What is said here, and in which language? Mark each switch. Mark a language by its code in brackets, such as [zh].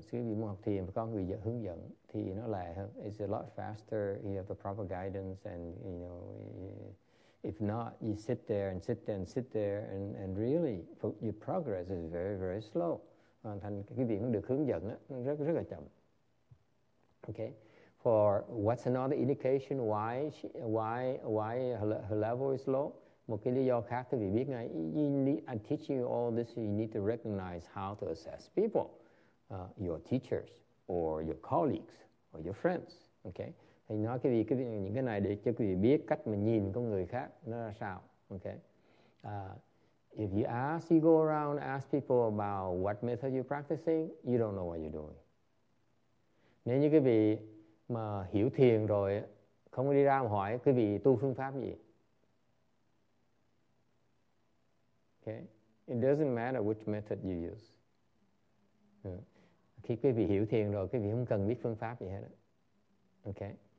[vi] Khi muốn học thiền và có người hướng dẫn thì nó lẹ hơn. [en] It's a lot faster. You have the proper guidance, and you know, if not, you sit there and sit there and sit there, and really, your progress is very very slow. [vi] Thành cái việc được hướng dẫn rất rất là chậm. Okay. [en] For what's another indication why her level is low? [vi] Một cái lý do khác thì biết ngay. [en] I'm teaching you all this. You need to recognize how to assess people, your teachers or your colleagues or your friends. Okay. [vi] Thì nói cái gì, những cái này để cho quý vị biết cách mà nhìn con người khác nó ra sao. Okay. [en] If you ask, you go around and ask people about what method you're practicing, you don't know what you're doing. [vi] Nếu như quý vị mà hiểu thiền rồi, không đi ra mà hỏi quý vị tu phương pháp gì. [en] Okay. It doesn't matter which method you use. [vi] Khi quý vị hiểu thiền rồi, quý vị không cần biết phương pháp gì hết. Okay.